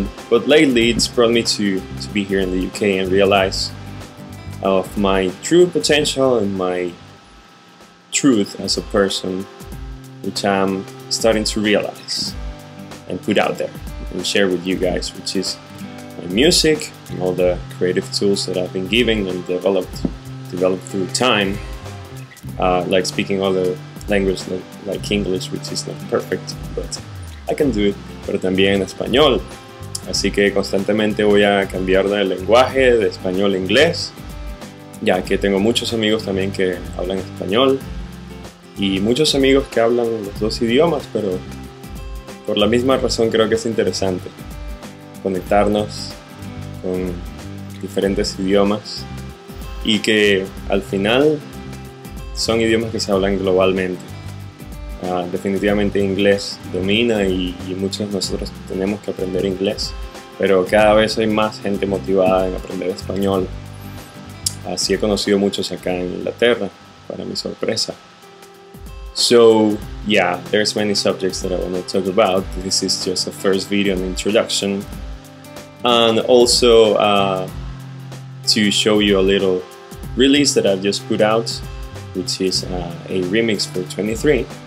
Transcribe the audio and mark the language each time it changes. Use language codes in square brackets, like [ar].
[en] But lately it's brought me to be here in the UK and realize of my true potential and my truth as a person, which I'm starting to realize and put out there and share with you guys, which is my music and all the creative tools that I've been giving and developed through time, like speaking other languages like English, which is not perfect, but I can do it, [es] pero también español. Así que constantemente voy a cambiar de lenguaje, de español a inglés, ya que tengo muchos amigos también que hablan español y muchos amigos que hablan los dos idiomas, pero por la misma razón creo que es interesante conectarnos con diferentes idiomas y que al final son idiomas que se hablan globalmente. Definitivamente inglés domina y muchos de nosotros tenemos que aprender inglés, pero cada vez hay más gente motivada en aprender español. Así he conocido muchos acá en Inglaterra, para mi sorpresa. [en] So, yeah, there's many subjects that I want to talk about. This is just a first video and introduction. And also to show you a little release that I've just put out, which is a remix for 23.